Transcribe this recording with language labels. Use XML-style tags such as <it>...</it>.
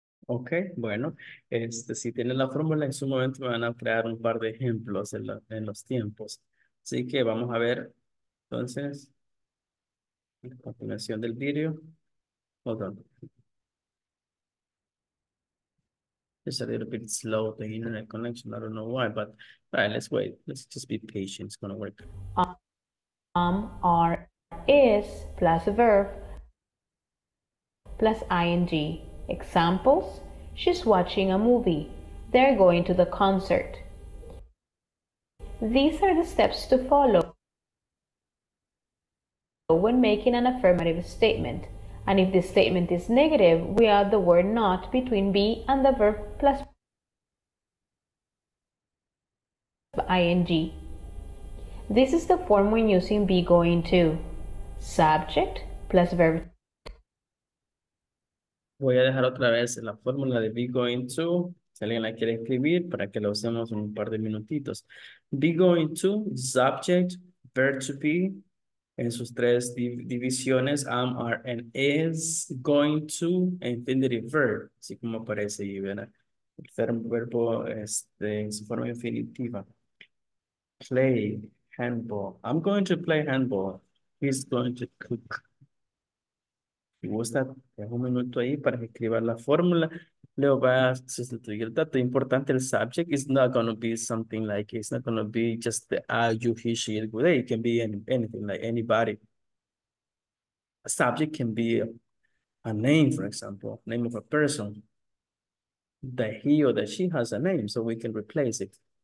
<es>Ok, bueno, si tienen la fórmula, en su momento me van a crear un par de ejemplos en los tiempos. Así que vamos a ver, entonces, la continuación del vídeo.</es> <en>Hold on. It's a little bit slow, the internet connection, I don't know why, but right, let's wait, let's just be patient, it's going to work. Are, is, plus a verb, plus ing. Examples, she's watching a movie. They're going to the concert. These are the steps to follow when making an affirmative statement. And if the statement is negative, we add the word not between be and the verb plus ing. This is the form when using be going to. Subject plus verb.</en> <es>Voy a dejar otra vez la fórmula de be going to. Si alguien la quiere escribir, para que la usemos en un par de minutitos.</es> <en>Be going to, subject, verb to be,</en> <es>en sus tres divisiones,</es> <en>am, are, and is, going to, infinitive verb,</en> <es>así como aparece ahí, ¿verdad? El verbo en su forma infinitiva. Play, handball.</es> <en>I'm going to play handball. He's going to cook.</en> <es>Me gusta, dejo un minuto ahí para que escriba la fórmula. Luego va a sustituir el dato importante, el subject.</es> <en>It's not going to be something like, it's not going to be just the you, he, she, it, good. It can be anything, like anybody. A subject can be a name, for example, name of a person. That he or that she has a name, so we can replace it.</en>